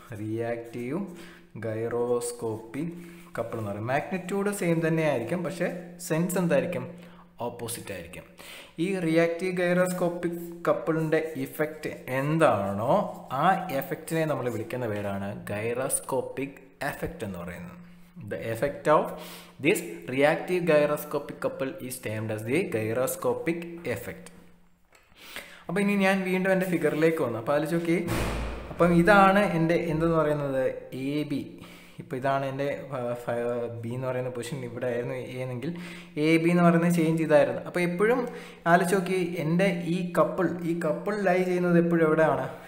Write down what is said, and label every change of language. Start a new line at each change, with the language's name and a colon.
Malayalam: Reactive gyroscopic couple എന്ന് പറയും. Magnitude same തന്നെയായിരിക്കും, പക്ഷേ സെൻസ് എന്തായിരിക്കും? ഓപ്പോസിറ്റ് ആയിരിക്കും. ഈ റിയാക്റ്റീവ് ഗൈറോസ്കോപ്പിക് കപ്പിളിൻ്റെ ഇഫക്റ്റ് എന്താണോ ആ എഫക്റ്റിനെ നമ്മൾ വിളിക്കുന്ന പേരാണ് ഗൈറോസ്കോപ്പിക് എഫക്റ്റ് എന്ന് പറയുന്നത്.
English: The effect of this reactive gyroscopic couple is termed as the gyroscopic effect.
Malayalam: അപ്പോൾ ഇനി ഞാൻ വീണ്ടും എൻ്റെ ഫിഗറിലേക്ക് വന്നു. അപ്പോൾ ആലോചിച്ച് നോക്കി, അപ്പം ഇതാണ് എൻ്റെ എന്തെന്ന് പറയുന്നത് എ ബി. ഇപ്പം ഇതാണ് എൻ്റെ ബി എന്ന് പറയുന്ന പൊസിഷൻ, ഇവിടെ ആയിരുന്നു എ എന്നെങ്കിൽ എ ബി എന്ന് പറയുന്നത് ചേഞ്ച് ഇതായിരുന്നു. അപ്പോൾ എപ്പോഴും ആലോചിച്ച് നോക്കി, എൻ്റെ ഈ കപ്പിൾ ലൈ ചെയ്യുന്നത് എപ്പോഴും എവിടെയാണ്?